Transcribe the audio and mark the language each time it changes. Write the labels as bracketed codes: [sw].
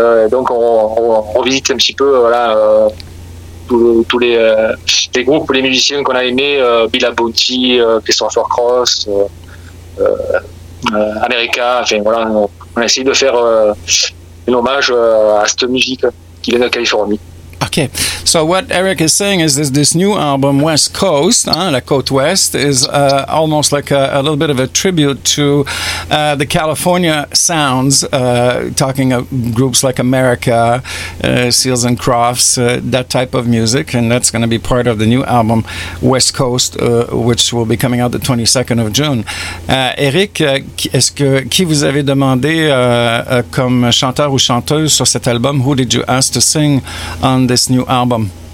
[fr] Donc on revisite un petit peu voilà, tous les groupes, les musiciens qu'on a aimés, Bill Abouti, Christopher Cross, America, enfin voilà, on a essayé de faire un hommage à cette musique qui vient de Californie. [en] Okay, so what Eric is saying is this new album, West Coast, La Côte Ouest, is almost like a little bit of a tribute to the California sounds, talking of groups like America, Seals and Crofts, that type of music, and that's going to be part of the new album, West Coast, which will be coming out the 22nd of June. [fr] Eric, qui vous avez demandé comme chanteur ou chanteuse sur cet album? [en] Who did you ask to sing on this new album?